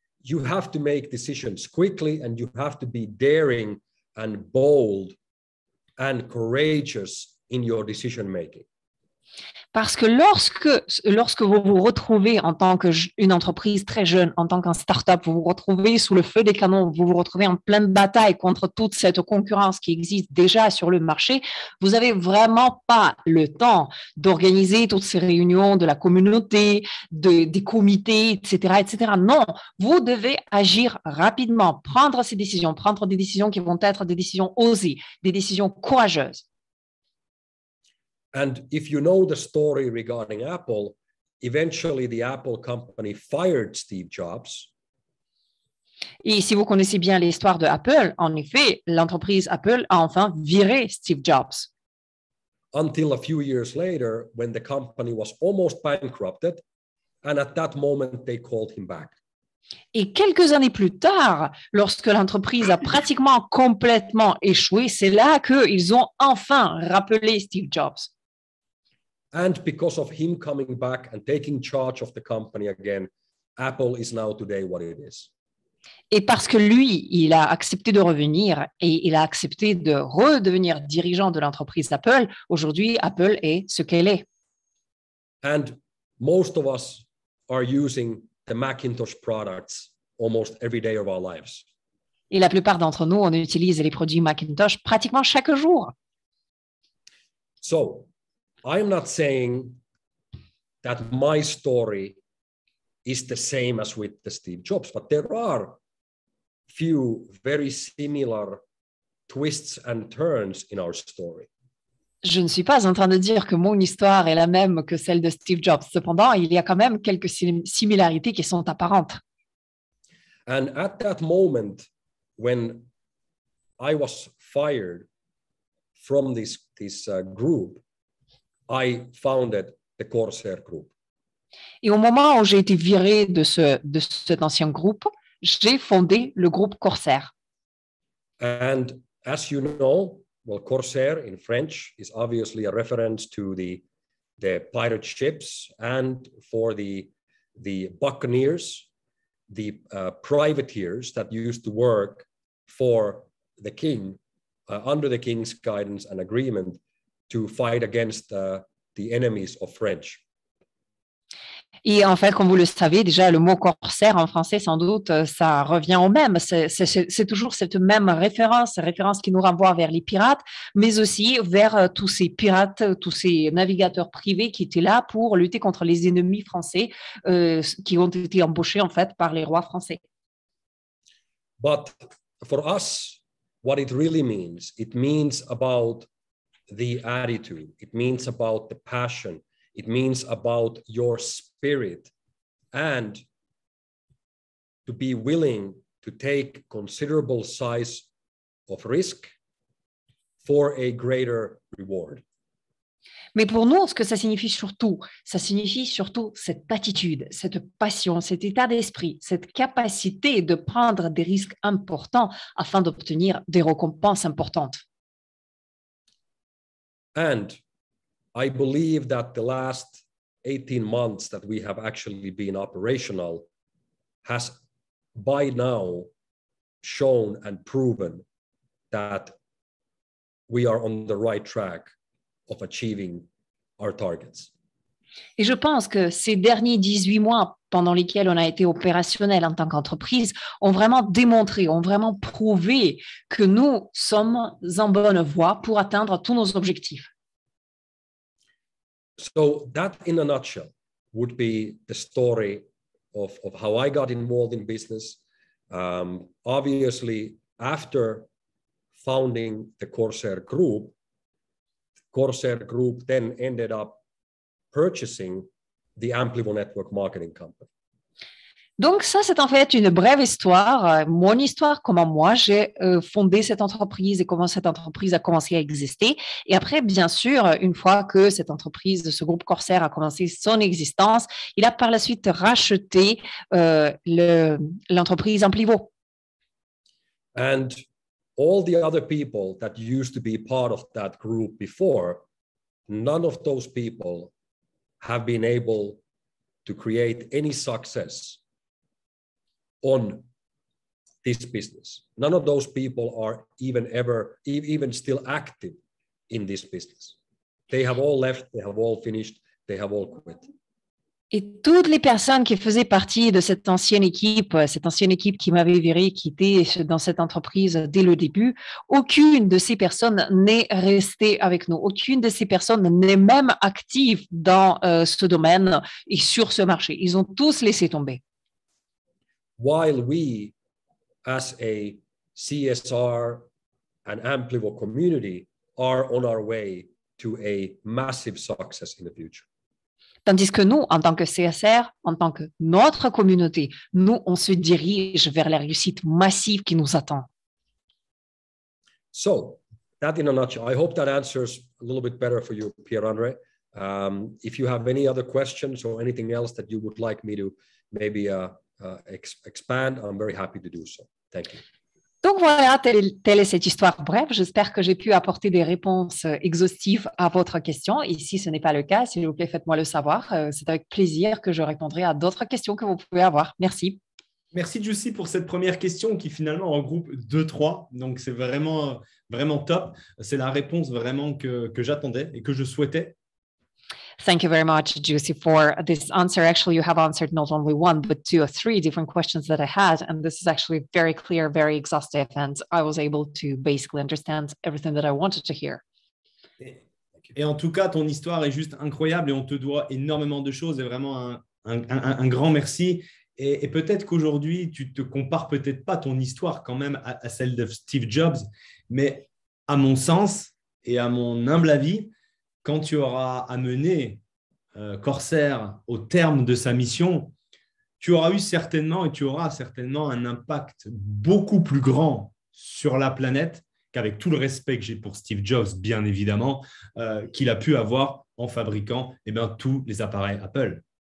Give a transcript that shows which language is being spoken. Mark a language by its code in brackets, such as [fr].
[en] You have to make decisions quickly and you have to be daring and bold and courageous in your decision making. [fr] Parce que lorsque vous vous retrouvez en tant qu'une entreprise très jeune, en tant qu'un start-up, vous vous retrouvez sous le feu des canons, vous vous retrouvez en pleine bataille contre toute cette concurrence qui existe déjà sur le marché, vous n'avez vraiment pas le temps d'organiser toutes ces réunions de la communauté, des comités, etc., etc. Non, vous devez agir rapidement, prendre ces décisions, prendre des décisions qui vont être des décisions osées, des décisions courageuses. [en] And if you know the story regarding Apple, eventually the Apple company fired Steve Jobs. [fr] Et si vous connaissez bien l'histoire de Apple, en effet, l'entreprise Apple a enfin viré Steve Jobs. [en] Until a few years later, when the company was almost bankrupted, and at that moment they called him back. [fr] Et quelques années plus tard, lorsque l'entreprise a pratiquement complètement échoué, c'est là qu'ils ont enfin rappelé Steve Jobs. [en] And because of him coming back and taking charge of the company again, Apple is now today what it is. [fr] Et parce que lui, il a accepté de revenir et il a accepté de redevenir dirigeant de l'entreprise Apple, aujourd'hui, Apple est ce qu'elle est. [en] And most of us are using the Macintosh products almost every day of our lives. [fr] Et la plupart d'entre nous, on utilise les produits Macintosh pratiquement chaque jour. [en] So, I'm not saying that my story is the same as with the Steve Jobs, but there are few very similar twists and turns in our story. [fr] Je ne suis pas en train de dire que mon histoire est la même que celle de Steve Jobs. Cependant, il y a quand même quelques similarités qui sont apparentes. [en] And at that moment, when I was fired from this group, I founded the Corsair Group. [fr] Et au moment où j'ai été viré de cet ancien groupe, j'ai fondé le groupe Corsair. [en] And as you know, well, Corsair in French is obviously a reference to the pirate ships and for the buccaneers, the privateers that used to work for the king under the king's guidance and agreement to fight against the enemies of French. [fr] Et en fait, comme vous le savez, déjà le mot corsaire en français, sans doute, ça revient au même. C'est toujours cette même référence qui nous renvoie vers les pirates, mais aussi vers tous ces pirates, tous ces navigateurs privés qui étaient là pour lutter contre les ennemis français qui ont été embauchés, en fait, par les rois français. [en] But for us, what it really means, it means about the attitude, it means about the passion, it means about your spirit and to be willing to take considerable size of risk for a greater reward. [fr] Mais pour nous, ce que ça signifie surtout cette attitude, cette passion, cet état d'esprit, cette capacité de prendre des risques importants afin d'obtenir des récompenses importantes. [en] And I believe that the last 18 months that we have actually been operational has by now shown and proven that we are on the right track of achieving our targets. [fr] Et je pense que ces derniers 18 mois pendant lesquels on a été opérationnel en tant qu'entreprise ont vraiment démontré, ont vraiment prouvé que nous sommes en bonne voie pour atteindre tous nos objectifs. [en] So that in a nutshell would be the story of how I got involved in business. Obviously, after founding the Corsair Group then ended up purchasing the Amplivo Network Marketing Company. [fr] Donc ça, c'est en fait une brève histoire, mon histoire, comment moi j'ai fondé cette entreprise et comment cette entreprise a commencé à exister. Et après, bien sûr, une fois que cette entreprise, ce groupe Corsair a commencé son existence, il a par la suite racheté l'entreprise Amplivo. [en] And all the other people that used to be part of that group before, none of those people have been able to create any success on this business. None of those people are even still active in this business. They have all left, they have all finished, they have all quit. [fr] Et toutes les personnes qui faisaient partie de cette ancienne équipe qui m'avait viré quitter dans cette entreprise dès le début, aucune de ces personnes n'est restée avec nous. Aucune de ces personnes n'est même active dans ce domaine et sur ce marché. Ils ont tous laissé tomber. [en] While we, as a CSR and Amplivo community, are on our way to a massive success in the future. [fr] Tandis que nous, en tant que CSR, en tant que notre communauté, nous, on se dirige vers la réussite massive qui nous attend. [en] So, that in a nutshell, I hope that answers a little bit better for you, Pierre-André. If you have any other questions or anything else that you would like me to maybe expand, I'm very happy to do so. Thank you. [fr] Donc voilà, telle est cette histoire. Bref, j'espère que j'ai pu apporter des réponses exhaustives à votre question. Et si ce n'est pas le cas, s'il vous plaît, faites-moi le savoir. C'est avec plaisir que je répondrai à d'autres questions que vous pouvez avoir. Merci. Merci, Jussie, pour cette première question qui finalement regroupe 2-3. Donc, c'est vraiment, vraiment top. C'est la réponse vraiment que j'attendais et que je souhaitais. [en] Thank you very much, Jussie, for this answer. Actually, you have answered not only one, but two or three different questions that I had. And this is actually very clear, very exhaustive. And I was able to basically understand everything that I wanted to hear. [fr] Et en tout cas, ton histoire est juste incroyable et on te doit énormément de choses. Et vraiment un grand merci. Et peut-être qu'aujourd'hui, tu te compares peut-être pas ton histoire quand même à celle de Steve Jobs. Mais à mon sens et à mon humble avis, quand tu auras amené Corsair au terme de sa mission, tu auras eu certainement et tu auras certainement un impact beaucoup plus grand sur la planète qu'avec tout le respect que j'ai pour Steve Jobs, bien évidemment, qu'il a pu avoir en fabriquant tous les appareils Apple.